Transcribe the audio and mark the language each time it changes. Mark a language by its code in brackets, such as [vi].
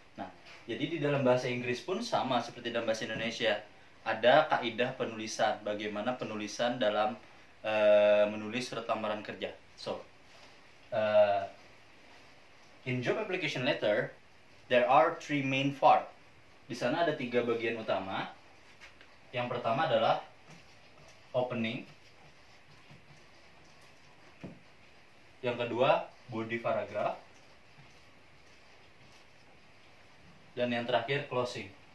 [id] Nah, jadi di dalam bahasa Inggris pun sama seperti dalam bahasa Indonesia. Ada kaidah penulisan, bagaimana penulisan dalam menulis surat lamaran kerja. [en] So, in job application letter, there are three main part. [id] Di sana ada tiga bagian utama. Yang pertama adalah opening. Yang kedua, body paragraph. Dan yang terakhir, closing.